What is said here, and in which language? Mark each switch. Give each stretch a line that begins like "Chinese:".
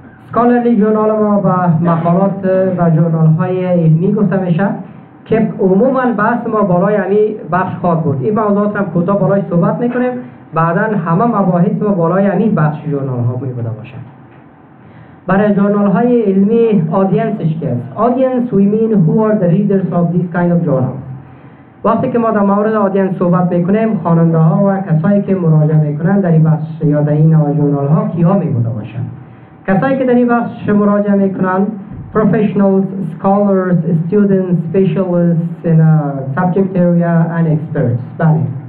English: scholarly journal
Persian: ما با مقالات و جورنال های علمی گفته میشه که عموما بحث ما بالای یعنی بخش خواهد بود. این موضوعات را کوتاه بالای صحبت میکنیم. بعدا همه مباحث ما بالای یعنی بخش جورنال ها میبوده باشه. برای جورنال های علمی audienceش که است.
English: audience we mean who are the readers of this kind of journal.
Persian: وقتی که ما در مورد audience صحبت میکنیم خواننده ها و کسایی که مراجعه میکنن در این بخش یا در این جورنال ها کیا میبوده باشن. کسایی که در این بخش مراجعه میکنن
English: professionals, scholars, students, specialists in a subject area and experts. بله.